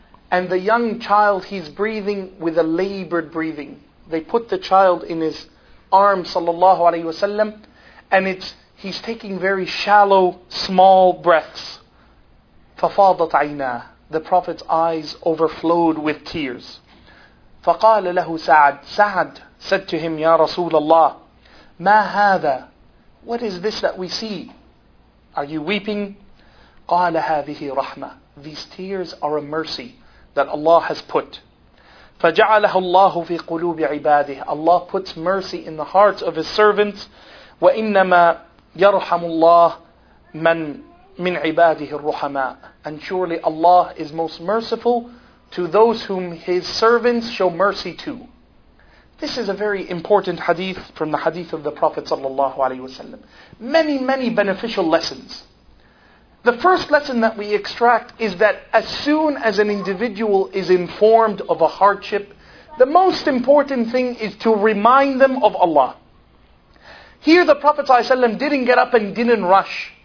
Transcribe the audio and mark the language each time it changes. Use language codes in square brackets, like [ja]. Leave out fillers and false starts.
[en] And the young child, he's breathing with a labored breathing. They put the child in his arms, sallallahu alayhi wasallam, and he's taking very shallow, small breaths. [ar] ففاضت عيناه. [en] The Prophet's eyes overflowed with tears. [ar] فقال له سعد. سعد [en] said to him, [ar] يا رسول الله, ما هذا? [en] What is this that we see? Are you weeping? [ar] قال هذه رحمة. [en] These tears are a mercy that Allah has put. [ar] فجعله الله في قلوب عباده. [en] Allah puts mercy in the hearts of His servants. [ar] وإنما يرحم الله من من عباده الرحماء. [en] And surely Allah is most merciful to those whom His servants show mercy to. This is a very important hadith from the hadith of the Prophet sallallahu alaihi wasallam. Many, many beneficial lessons. The first lesson that we extract is that as soon as an individual is informed of a hardship, the most important thing is to remind them of Allah. Here the Prophet ﷺ didn't get up and didn't rush.